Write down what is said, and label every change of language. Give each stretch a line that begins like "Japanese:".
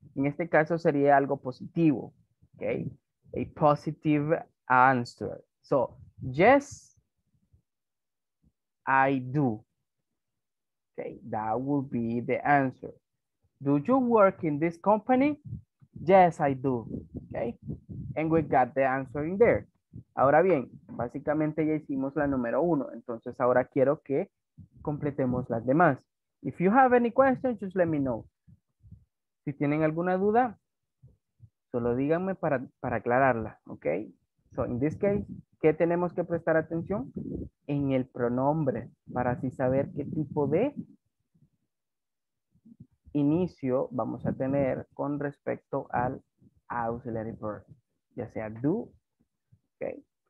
Spanish: En este caso sería algo positivo, okay?
English: A positive answer. So, Yes, I do. Okay, that will be the answer. Do you work in this company? Yes, I do. Okay, and we got the answer in there.
Spanish: Ahora bien, básicamente ya hicimos la número uno. Entonces ahora quiero que completemos las demás.
English: If you have any questions, just let me know.
Spanish: Si tienen alguna duda, solo díganme para aclararla, ¿ok?
English: So, in this case,
Spanish: ¿qué tenemos que prestar atención? En el pronombre, para así saber qué tipo de inicio vamos a tener con respecto al auxiliary verb, ya sea do, ¿ok?